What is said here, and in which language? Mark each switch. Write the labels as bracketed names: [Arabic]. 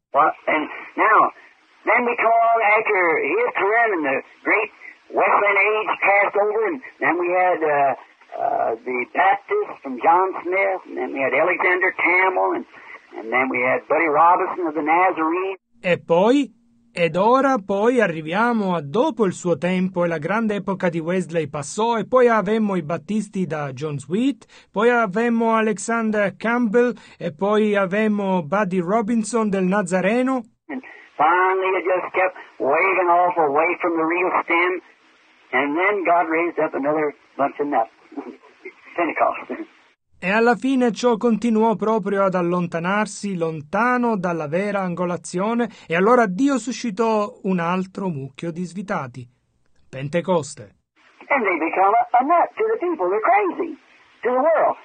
[English] Well, and now. Then we call after his career and the great Wesleyan age passed over, and then we had the Baptist from John Smith, and then we had Alexander Campbell, and then we had Buddy Robinson of the Nazarene. [Italian] E poi, ed ora poi arriviamo a dopo il suo tempo e la grande epoca di Wesley passò e poi avemmo i battisti da John Sweet, poi avemmo Alexander Campbell e poi avemmo Buddy Robinson del Nazareno. [English] Finally, it just kept waving off away from the real stem, and then God raised up another bunch of nuts. Pentecost. [Italian] E alla fine ciò continuò proprio ad allontanarsi lontano dalla vera angolazione, e allora Dio suscitò un altro mucchio di svitati. Pentecoste. [English] And they become a nut to the people. They're crazy to the world.